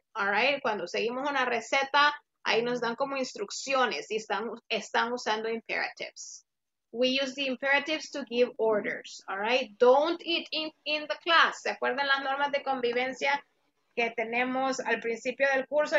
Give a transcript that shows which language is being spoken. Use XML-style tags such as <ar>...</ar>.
<es>All right, cuando seguimos una receta, ahí nos dan como instrucciones y están usando imperatives.</es> <en>We use the imperatives to give orders, all right? Don't eat in the class.</en> <es>¿Se acuerdan las normas de convivencia que tenemos al principio del curso?</es>